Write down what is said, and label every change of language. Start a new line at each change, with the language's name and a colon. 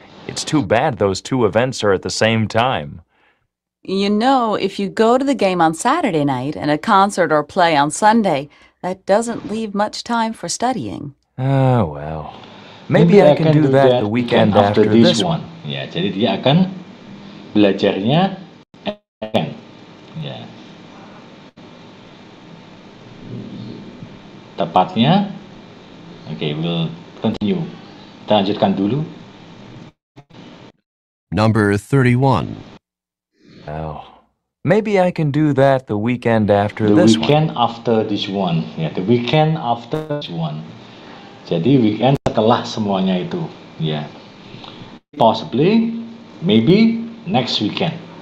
English: It's too bad those two events are at the same time. You know, if you go to the game on Saturday night and a concert or play on Sunday, that doesn't leave much time for studying. Oh well, maybe I can do that the weekend after this one.
Indonesian: Ya, jadi dia akan belajarnya. Tepatnya
English: Okay, we'll continue.
Indonesian: Kita lanjutkan dulu.
English: Number 31. Oh, maybe I can do that the weekend after the this weekend one. After this one. Yeah, the weekend after this one.
Indonesian: Jadi weekend setelah semuanya itu.
English: Yeah. Possibly, maybe next weekend.